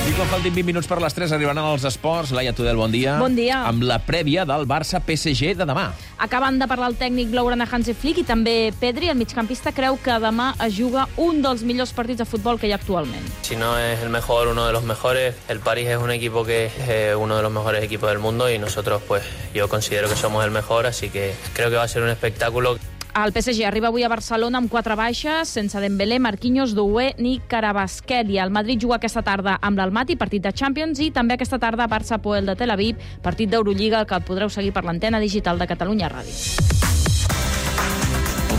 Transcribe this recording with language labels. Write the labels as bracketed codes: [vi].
[ca] Faltin 20 minuts per les 3, arribaran als esports. Laia Tudel, bon dia. Bon dia. Amb la prèvia del Barça-PSG de demà. Acaben de parlar el tècnic blaugrana Hansi Flick i també Pedri, el migcampista, creu que demà es juga un dels millors partits de futbol que hi ha actualment. [es] Si no es el mejor, uno de los mejores. El París es un equipo que es uno de los mejores equipos del mundo y nosotros, pues, yo considero que somos el mejor, así que creo que va a ser un espectáculo. [ca] El PSG arriba avui a Barcelona amb 4 baixes, sense Dembélé, Marquinhos, Doué ni Carabasquet. I el Madrid juga aquesta tarda amb l'Almaty, partit de Champions, i també aquesta tarda Barça-Poel de Tel Aviv, partit d'Eurolliga, que podreu seguir per l'antena digital de Catalunya Ràdio.